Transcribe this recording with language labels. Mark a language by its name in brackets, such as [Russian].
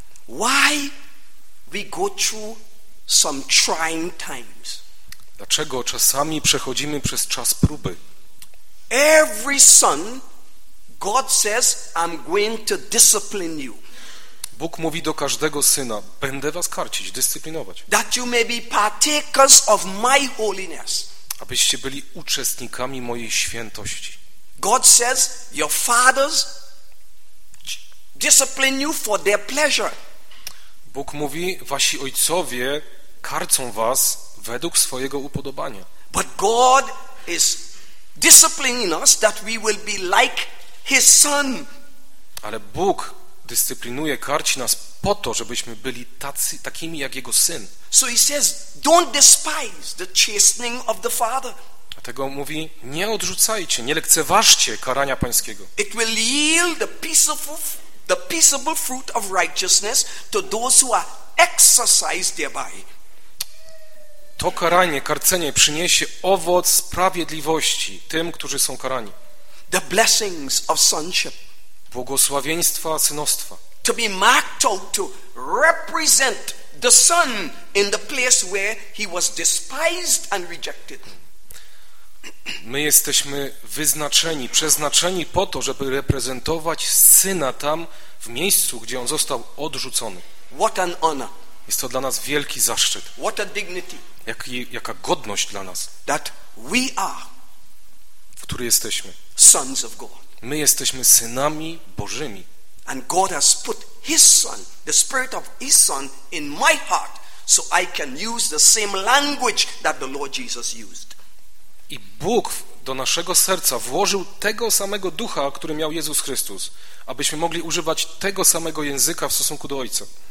[English] Why we go through some trying times? [Polish] Dlaczego czasami przechodzimy przez czas próby? [English] Every son, God says, I'm going to discipline you. [Polish] Bóg mówi do każdego syna, będę was karcić, dyscyplinować. [English] That you may be partakers of my holiness. [Polish] Abyście byli uczestnikami mojej świętości. [English] God says, your fathers discipline you for their pleasure. [Polish] Bóg mówi, wasi ojcowie karcą was według swojego upodobania. [English] But God is disciplining us that we will be like his son. [Polish] Ale Bóg dyscyplinuje, karci nas po to, żebyśmy byli tacy, takimi jak jego syn. [English] So he says, don't despise the chastening of the father. [Polish] Dlatego mówi, nie odrzucajcie, nie lekceważcie karania pańskiego. [English] It will yield the peaceable fruit of righteousness to those who are exercised thereby. [Polish] To karanie, karcenie przyniesie owoc sprawiedliwości tym, którzy są karani. [English] The blessings of sonship. [Polish] Błogosławieństwa synostwa. [English] To be marked out to represent the son in the place where he was despised and rejected. [Polish] My jesteśmy wyznaczeni, przeznaczeni po to, żeby reprezentować syna tam, w miejscu, gdzie on został odrzucony. [English] What an honor. [Polish] Jest to dla nas wielki zaszczyt. [English] What a dignity. [Polish] Jaka godność dla nas. [English] That we are, [Polish] w której jesteśmy. [English] Sons of God. [Polish] My jesteśmy synami Bożymi. [English] And God has put his son, the spirit of his son in my heart, so I can use the same language that the Lord Jesus used. [Polish] I Bóg do naszego serca włożył tego samego ducha, który miał Jezus Chrystus, abyśmy mogli używać tego samego języka w stosunku do Ojca.